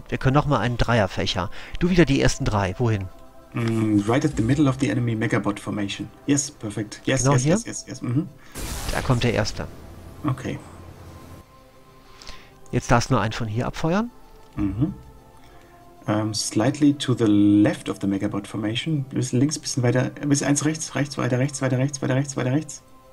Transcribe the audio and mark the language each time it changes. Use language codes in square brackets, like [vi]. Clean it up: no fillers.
[de] Wir können noch mal einen Dreierfächer. Du wieder die ersten drei. Wohin? [en] Right at the middle of the enemy Megabot Formation. Yes, perfect. Yes, [de] genau [en] yes, [de] hier? [en] Yes, yes, yes. [de] Mhm. Da kommt der Erste. [en] Okay. [de] Jetzt darfst du nur einen von hier abfeuern. [en] Slightly to the left of the Megabot Formation. [de] Bisschen links, bisschen weiter. Bisschen eins rechts, rechts, weiter rechts, weiter rechts, weiter rechts, weiter rechts.